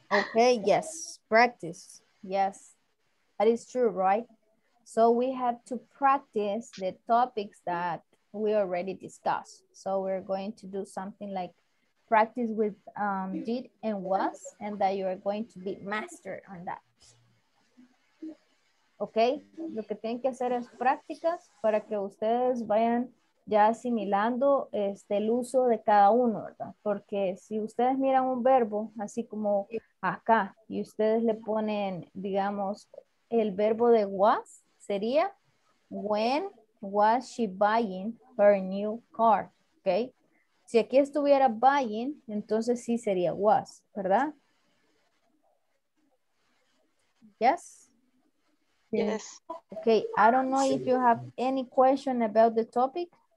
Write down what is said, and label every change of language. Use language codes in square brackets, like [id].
[en] Okay, yes. Practice. Yes. That is true, right? So we have to practice the topics that we already discussed. So we're going to do something like practice with did and was, and that you are going to be master on that. Okay? [es] Lo que tienen que hacer es prácticas para que ustedes vayan ya asimilando el uso de cada uno, ¿verdad? Porque si ustedes miran un verbo, así como acá, y ustedes le ponen, digamos, el verbo de was, sería, [en] when was she buying her new car, [es] ¿ok? Si aquí estuviera buying, entonces sí sería was, ¿verdad? [en] Yes. Yes. Ok, I don't know if you have any question about the topic.